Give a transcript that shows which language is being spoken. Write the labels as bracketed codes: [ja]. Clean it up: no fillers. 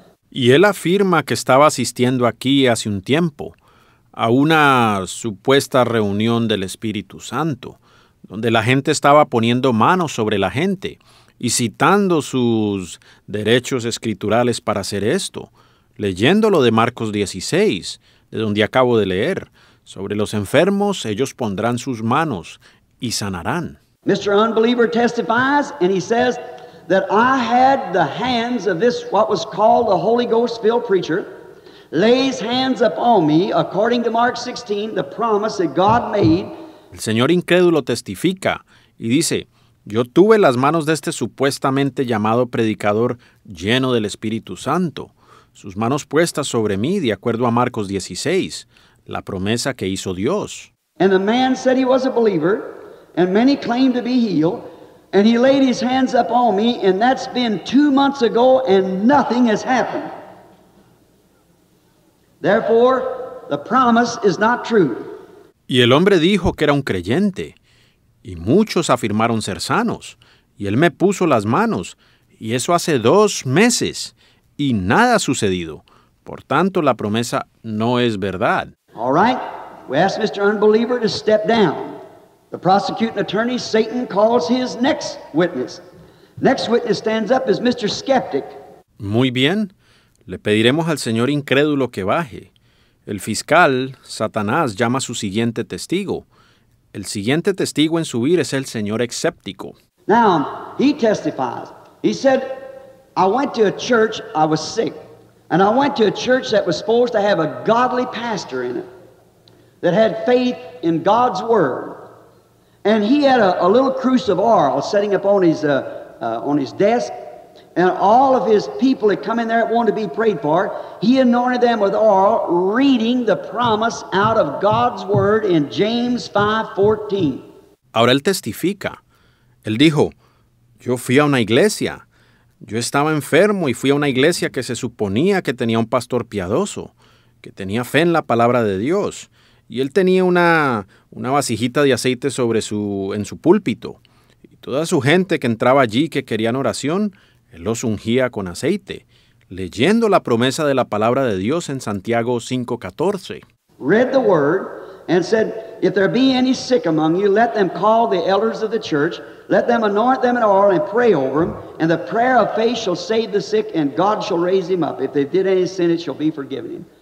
[es] Y él afirma que estaba asistiendo aquí hace un tiempo a una supuesta reunión del Espíritu Santo, donde la gente estaba poniendo manos sobre la gente y citando sus derechos escriturales para hacer esto, leyendo lo de Marcos 16, de donde acabo de leer, sobre los enfermos, ellos pondrán sus manos y sanarán. [en] Mr. Unbeliever testifies and he says that I had the hands of this, what was called a Holy Ghost filled preacher, lays hands upon me according to Mark 16, the promise that God made. [es] El señor incrédulo testifica y dice, yo tuve las manos de este supuestamente llamado predicador lleno del Espíritu Santo, sus manos puestas sobre mí de acuerdo a Marcos 16, la promesa que hizo Dios. [en] And the man said he was a believer, and many claimed to be healed, and he laid his hands up on me, and that's been 2 months ago, and nothing has happened. Therefore, the promise is not true. [es] Y el hombre dijo que era un creyente, y muchos afirmaron ser sanos, y él me puso las manos, y eso hace 2 meses, y nada ha sucedido. Por tanto, la promesa no es verdad. [en] All right, we ask Mr. Unbeliever to step down. The prosecuting attorney, Satan, calls his next witness. Next witness stands up is Mr. Skeptic. [es] Muy bien, le pediremos al señor incrédulo que baje. El fiscal, Satanás, llama a su siguiente testigo. El siguiente testigo en subir es el señor escéptico. [en] Now, he testifies. He said, I went to a church, I was sick. And I went to a church that was supposed to have a godly pastor in it, that had faith in God's word. And he had a little crucifix sitting up on his desk. And all of his people had come in there that wanted to be prayed for. He anointed them with oil, reading the promise out of God's word in James 5:14. [es] Ahora él testifica. Él dijo, yo fui a una iglesia. Yo estaba enfermo y fui a una iglesia que se suponía que tenía un pastor piadoso, que tenía fe en la palabra de Dios. Y él tenía una vasijita de aceite en su púlpito. Y toda su gente que entraba allí que querían oración, él los ungía con aceite, leyendo la promesa de la palabra de Dios en Santiago 5:14. [en] Read the word and said, if there be any sick among you, let them call the elders of the church, let them anoint them in oil and pray over them, and the prayer of faith shall save the sick, and God shall raise him up. If they did any sin, it shall be forgiven him.